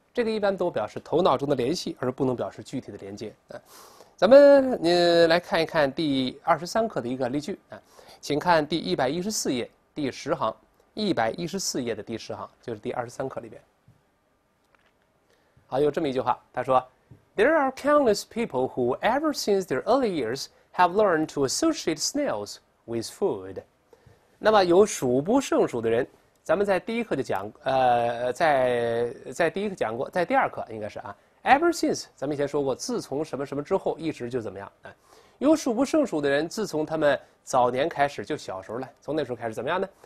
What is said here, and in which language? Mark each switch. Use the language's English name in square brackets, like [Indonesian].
[Chinese] 这个一般都表示头脑中的联系，而不能表示具体的连接。咱们来看一看第23课的一个例句啊，请看第114页第十行，114页的第十行就是第23课里边。好，有这么一句话，他说 [English] ：“There are countless people who, ever since their early years, have learned to associate snails with food。” [Chinese] 那么有数不胜数的人，咱们在第一课就讲，在第一课讲过，在第二课应该是啊。 [English] Ever since， [Chinese] 咱们以前说过，自从什么什么之后，一直就怎么样啊？有数不胜数的人，自从他们早年开始，就小时候了，从那时候开始怎么样呢？